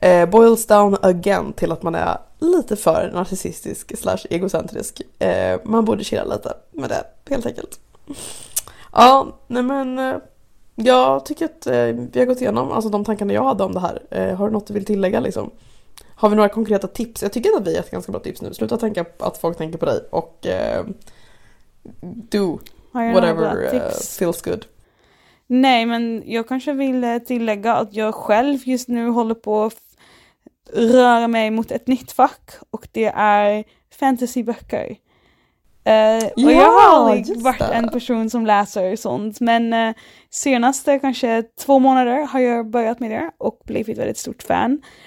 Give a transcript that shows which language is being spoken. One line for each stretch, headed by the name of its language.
English: Boils down again
Swedish: till att man är lite för narcissistisk / egocentrisk. Man borde chilla lite med det, helt enkelt. Ja, nej men... Jag tycker att vi har gått igenom alltså de tankarna jag hade om det här. Har du något du vill tillägga? Liksom? Har vi några konkreta tips? Jag tycker att vi har ett ganska bra tips nu. Sluta tänka att folk tänker på dig.
English: Och do whatever feels good.
Swedish: Nej, men jag kanske vill tillägga att jag själv just nu håller på att röra mig mot ett nytt fack. Och det är fantasyböcker. Och jag har aldrig varit en person som läser sånt, men senaste kanske 2 månader har jag börjat med det och blivit väldigt stort fan.